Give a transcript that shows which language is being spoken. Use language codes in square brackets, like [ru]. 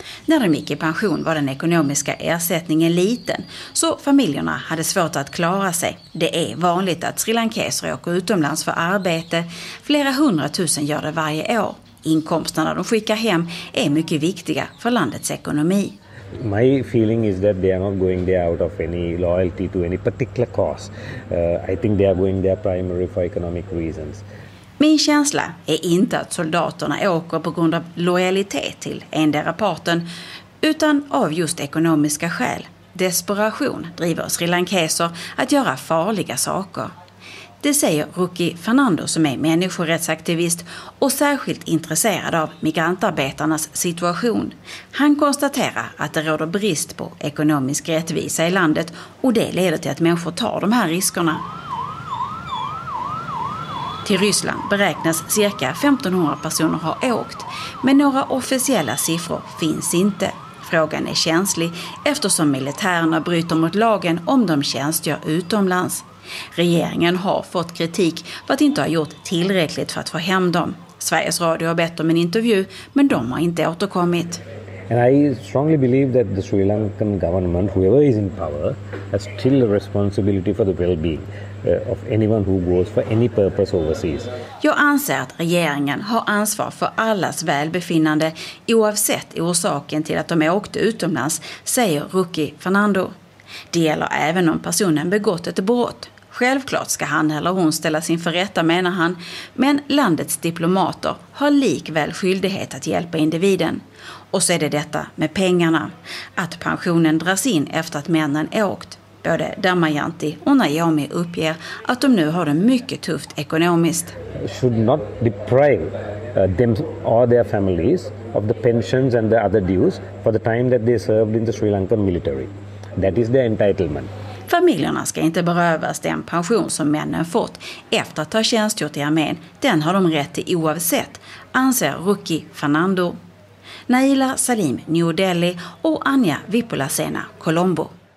[sv] När de gick i pension var den ekonomiska ersättningen liten, så familjerna hade svårt att klara sig. Det är vanligt att srilankeser åker utomlands för arbete. Flera 100 000 gör det varje år. Inkomsterna de skickar hem är mycket viktiga för landets ekonomi. [en] My feeling is that they are not going there out of any loyalty to any particular cause. I think they are going there primarily for economic reasons. [sv] Min känsla är inte att soldaterna åker på grund av lojalitet till endera parten, utan av just ekonomiska skäl. Desperation driver srilankeser att göra farliga saker. Det säger Ruki Fernando som är människorättsaktivist och särskilt intresserad av migrantarbetarnas situation. Han konstaterar att det råder brist på ekonomisk rättvisa i landet och det leder till att människor tar de här riskerna. Till Ryssland beräknas cirka 1500 personer ha åkt, men några officiella siffror finns inte. Frågan är känslig eftersom militärerna bryter mot lagen om de tjänstgör utomlands. Regeringen har fått kritik för att inte ha gjort tillräckligt för att få hem dem. Sveriges Radio har bett om en intervju, men de har inte återkommit. [en] And I strongly believe that the Sri Lankan government, whoever is in power, has still a responsibility for the well-being of anyone who goes for any purpose overseas. [sv] Jag anser att regeringen har ansvar för allas välbefinnande oavsett orsaken till att de åkte utomlands, säger Ruki Fernando. Det gäller även om personen begått ett brott. Självklart ska han eller hon ställa sin förrätta, menar han, men landets diplomater har likväl skyldighet att hjälpa individen. Och så är det detta med pengarna. Att pensionen dras in efter att männen åkt. Både Damayanti och Naomi uppger att de nu har det mycket tufft ekonomiskt. [en] Should not deprive them or their families of the pensions and the other dues for the time that they served in the Sri Lankan military. That is their entitlement. [sv] Familjerna ska inte berövas den pension som männen fått efter att ha tjänstgjort i armén. Den har de rätt till oavsett, anser Ruki Fernando. Naila Salim, New Delhi, och Anja Vipulasena, Colombo.